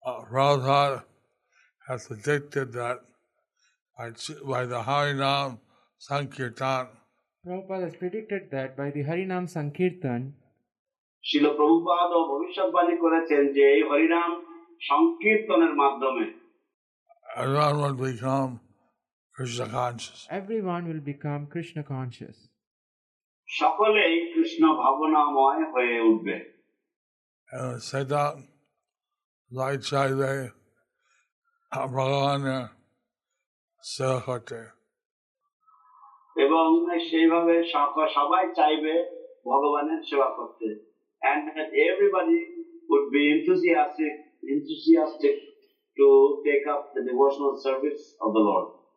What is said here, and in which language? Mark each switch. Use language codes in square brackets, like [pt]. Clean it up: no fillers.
[en] Prabhupada has predicted that by the Harinam Sankirtan. Prabhupada has predicted that by the Harinam Sankirtan. [bn] শিল প্রভুপাদ ও ভবিষ্যৎবাণী করেছেন যে এই হরিনাম সংকীর্তনের মাধ্যমে [en] everyone will become Krishna conscious. Everyone will become Krishna conscious. [bn] সকলেই কৃষ্ণ ভাবনাময় হয়ে উঠবে। [en] And said that Lord Chaitanya Bhagavan Sahakate. [bn] এবং সেইভাবে সবাই চাইবে ভগবানের সেবা করতে। [en] And that everybody would be enthusiastic to take up the devotional service of the Lord.